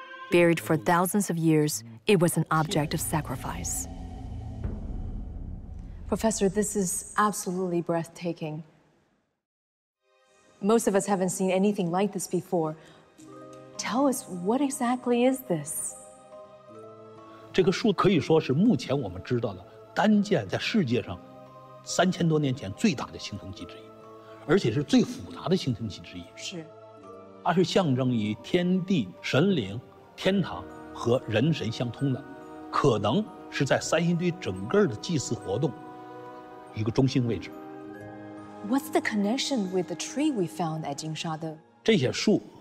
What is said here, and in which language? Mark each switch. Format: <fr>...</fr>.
<en>Buried for thousands of years, it was an object of sacrifice. Professor, this is absolutely breathtaking. Most of us haven't seen anything like this before. Tell us, what exactly is this?</en> <zh>这个树可以说是目前我们知道的单件在世界上3000多年前最大的形成基质，而且是最复杂的形成基质之一。是，它是象征于天地、神灵、天堂和人神相通的，可能是在三星堆整个的祭祀活动一个中心位置。</zh> <en>What's the connection with the tree we found at Jinsha, though?</en>